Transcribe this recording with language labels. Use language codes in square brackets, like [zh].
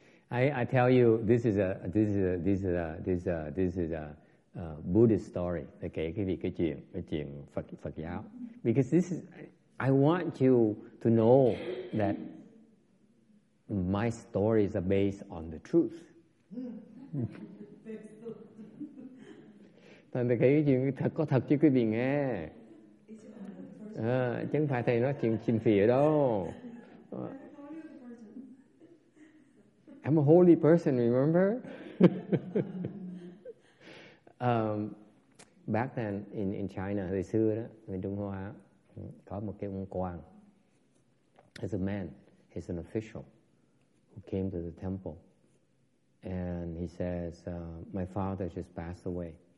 [en] I tell you this is a Buddhist story. [vi] Okay, cái chuyện Phật giáo. [en] Because this is, I want you to know that my stories are based on the truth. [vi] Thành cái chuyện thật có thật chứ quý vị nghe. Chứ không phải thầy nói chuyện chim phỉa đâu. [en] I'm a holy person, remember? Back then in China, [vi] hồi xưa đó, bên Trung Hoa, có một cái ông quan. [en] He's a man, he's an official who came to the temple. And he says, my father just passed away.